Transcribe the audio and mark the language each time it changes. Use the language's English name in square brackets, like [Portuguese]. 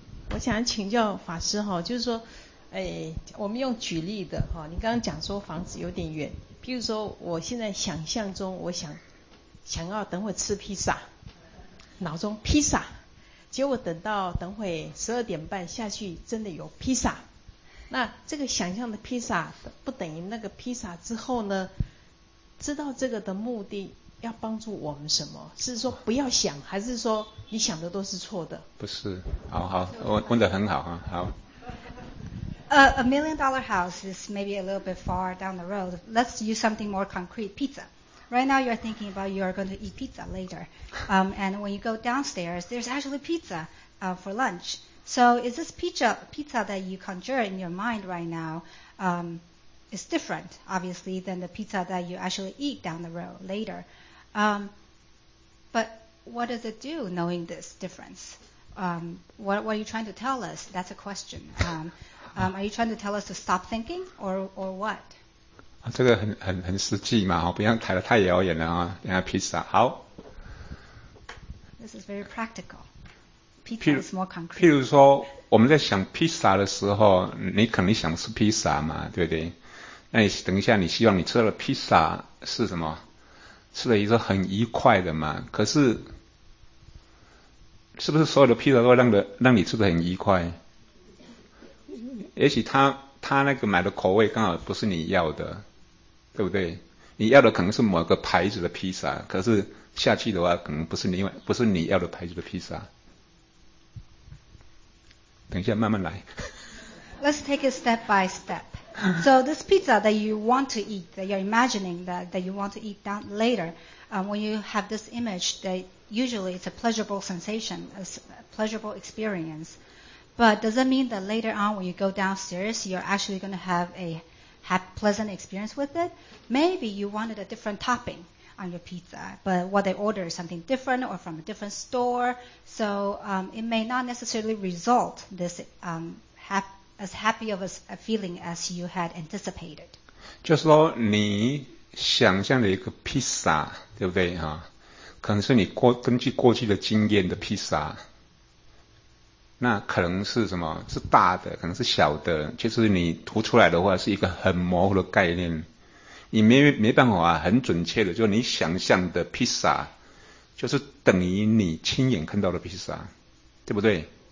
[Chinese] 我想请教法师哈，就是说，我们用举例的哈，你刚刚讲说房子有点远，譬如说，我现在想象中，我想要等会吃披萨，脑中披萨，结果等到等会12:30下去，真的有披萨。那这个想象的披萨不等于那个披萨之后呢？知道这个的目的要帮助我们什么？是说不要想，还是说你想的都是错的？不是，好，问得很好啊，好。 [English] A million-dollar house is maybe a little bit far down the road. Let's use something more concrete: pizza. Right now, you're thinking about you are going to eat pizza later. And when you go downstairs, there's actually pizza for lunch. So is this pizza that you conjure in your mind right now is different, obviously, than the pizza that you actually eat down the road later. But what does it do knowing this difference? What are you trying to tell us? That's a question. Are you trying to tell us to stop thinking or what? [Chinese] 啊、这个很实际嘛，不要抬得太遥远了啊。等下披萨，好。 [English] This is very practical. Pizza is more concrete. [Chinese] 譬如说，我们在想披萨的时候，你肯定想吃披萨嘛，对不对？那你等一下，你希望你吃了披萨是什么？吃了一个很愉快的嘛？可是，是不是所有的披萨都让你吃得很愉快？也许他那个买的口味刚好不是你要的，对不对？你要的可能是某个牌子的披萨，可是下去的话可能不是你要的牌子的披萨。等一下，慢慢来。 [English] Let's take it step by step. So this pizza that you want to eat, that you're imagining that you want to eat down later, when you have this image, that usually it's a pleasurable sensation, a pleasurable experience. But does it mean that later on when you go downstairs, you're actually going to have a pleasant experience with it? Maybe you wanted a different topping on your pizza, but what they order is something different or from a different store. So it may not necessarily result this as happy of a feeling as you had anticipated. [Chinese] 就是说你想象的一个披萨，对不对啊？可能是你根据过去的经验的披萨，那可能是什么？是大的，可能是小的。就是你涂出来的话，是一个很模糊的概念，你没办法很准确的，就你想象的披萨，就是等于你亲眼看到的披萨，对不对？